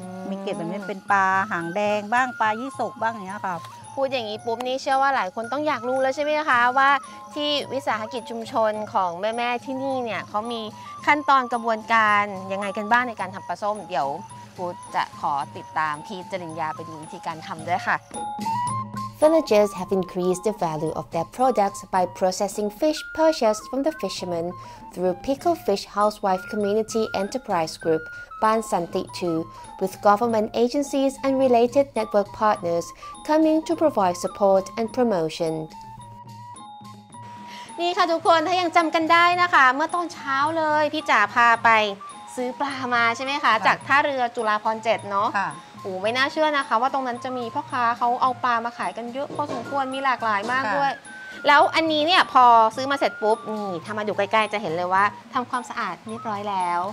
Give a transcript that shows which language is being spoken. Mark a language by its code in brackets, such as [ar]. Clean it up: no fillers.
[th] มีเกล็ดแบบนี้เป็นปลาหางแดงบ้างปลายี่สกบ้างอย่างเงี้ยค่ะ พูดอย่างนี้ปุ๊บนี่เชื่อว่าหลายคนต้องอยากรู้แล้วใช่ไหมคะว่าที่วิสาหกิจชุมชนของแม่ที่นี่เนี่ยเขามีขั้นตอนกระบวนการยังไงกันบ้างในการทำปลาส้มเดี๋ยวปูจะขอติดตามพี่จริญญาไปดูวิธีการทำด้วยค่ะ [en] Villagers have increased the value of their products by processing fish purchased from the fishermen through Pickle Fish Housewife Community Enterprise Group Ban Santi 2, with government agencies and related network partners coming to provide support and promotion. [th] นี่ค่ะทุกคนถ้ายังจำกันได้นะคะเมื่อตอนเช้าเลยพี่จ๋าพาไปซื้อปลามาใช่ไหมคะจากท่าเรือจุฬาภรณ์7เนา ะ โอ้ไม่น่าเชื่อนะคะว่าตรงนั้นจะมีพ่อค้าเขาเอาปลามาขายกันเยอะพอสมควรมีหลากหลายมากด้วยแล้วอันนี้เนี่ยพอซื้อมาเสร็จปุ๊บนี่ถ้ามาอยู่ใกล้ๆจะเห็นเลยว่าทำความสะอาดเรียบร้อยแล้ว